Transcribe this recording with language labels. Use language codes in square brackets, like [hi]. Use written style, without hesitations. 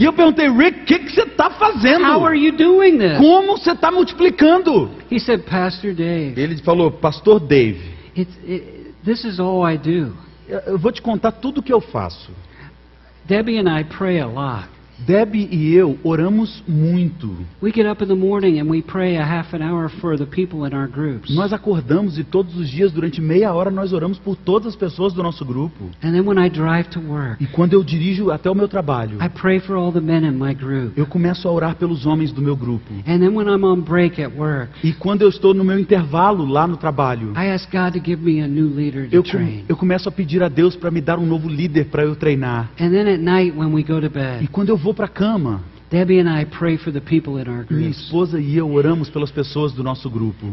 [pt] E eu perguntei, Rick, o que você está fazendo? [en] How are you doing this? [pt] Como você está multiplicando? [en] He said, Pastor Dave. [pt] Ele falou, Pastor Dave. [en] This is all I do. [pt] Eu vou te contar tudo o que eu faço. [en] Debbie and I pray a lot. [pt] Debbie e eu oramos muito. [en] We get up in the morning and we pray a half an hour for the people in our groups. [pt] Nós acordamos e todos os dias durante meia hora nós oramos por todas as pessoas do nosso grupo. [en] And then when I drive to work. [pt] E quando eu dirijo até o meu trabalho. [en] I pray for all the men in my group. [pt] Eu começo a orar pelos homens do meu grupo. [en] And then when I'm on break at work. [pt] E quando eu estou no meu intervalo lá no trabalho. [en] I ask God to give me a new leader to train. [pt] Eu começo a pedir a Deus para me dar novo líder para eu treinar. [en] And then at night when we go to bed. [pt] E quando eu vou para cama. [en] Debbie and I pray for the people in our groups. [pt] Minha esposa e eu oramos pelas pessoas do nosso grupo.